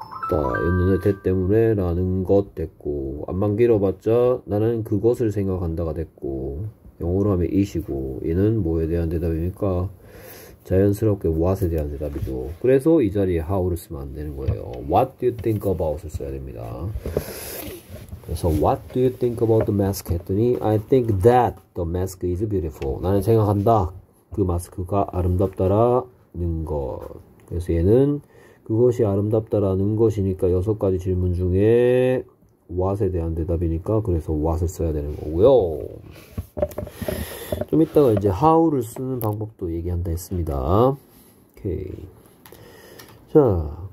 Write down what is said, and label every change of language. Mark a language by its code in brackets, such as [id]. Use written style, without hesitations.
[ko] 됐다였는데 됐 때문에 라는 것 됐고, 앞만 길어봤자 나는 그것을 생각한다가 됐고, 영어로 하면 is이고, 얘는 뭐에 대한 대답입니까? 자연스럽게 what에 대한 대답이죠. 그래서 이 자리에 how를 쓰면 안 되는 거예요. [en] what do you think about [ko] 을 써야 됩니다. 그래서 [en] what do you think about the mask [ko] 했더니 [en] I think that the mask is beautiful. [ko] 나는 생각한다, 그 마스크가 아름답다라는 것. 그래서 얘는 그것이 아름답다라는 것이니까 여섯 가지 질문 중에 what에 대한 대답이니까 그래서 what을 써야 되는 거고요. 좀 이따가 이제 how를 쓰는 방법도 얘기한다 했습니다. 오케이. 자,